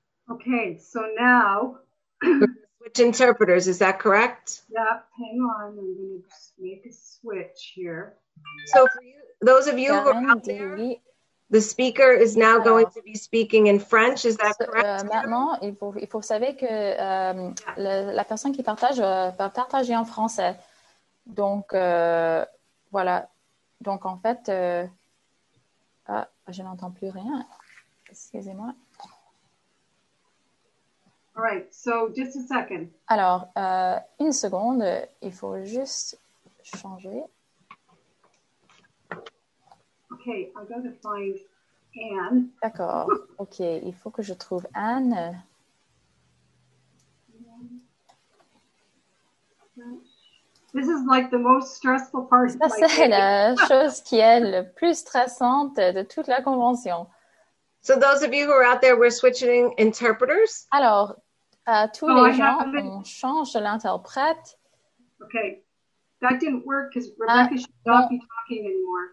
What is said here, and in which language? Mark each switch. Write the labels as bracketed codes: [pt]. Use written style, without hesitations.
[en] Okay, so now. Switch interpreters, is that correct? Yeah, hang on. I'm going to make a switch here. So for you, those of you who are out there. The speaker is now going to be speaking in French. Is that correct? [fr] Maintenant, il faut savoir que la personne qui partage va partager en français. Donc, voilà. Donc, en fait, je n'entends plus rien. Excusez-moi. [en] All right, so just a second. [fr] Alors, une seconde, il faut juste changer. [en] Okay, I'm going to find Anne. [fr] D'accord, okay, il faut que je trouve Anne. [en] This is like the most stressful part of my day. [fr] C'est la chose qui est le plus stressante de toute la convention. [en] So those of you who are out there, we're switching interpreters? [fr] Alors, tous les gens, on change l'interprète. [en] Okay. That didn't work because Rebecca should not be talking anymore.